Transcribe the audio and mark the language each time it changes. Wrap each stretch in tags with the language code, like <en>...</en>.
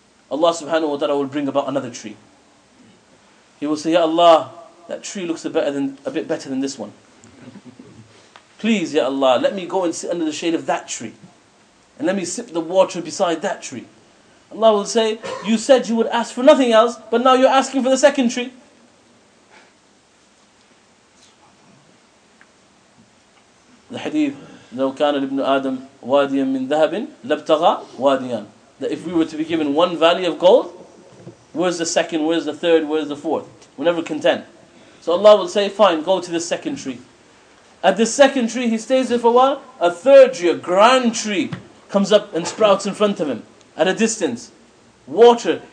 <en>Allah subhanahu wa ta'ala will bring about another tree. He will say, Ya Allah, that tree looks a bit better than this one. Please, Ya Allah, let me go and sit under the shade of that tree. And let me sip the water beside that tree. Allah will say, you said you would ask for nothing else, but now you're asking for the second tree. The hadith,</en> <ar>لَوْ كَانَ لِبْنُ آدَمْ وَادِيًا مِّن ذَهَبٍ لَبْتَغَى وَادِيًا.</ar> <en>That if we were to be given one valley of gold, where's the second, where's the third, where's the fourth? We're never content. So Allah will say, fine, go to the second tree. At the second tree, he stays there for a while. A third tree, a grand tree, comes up and sprouts in front of him. At a distance. Water.</en>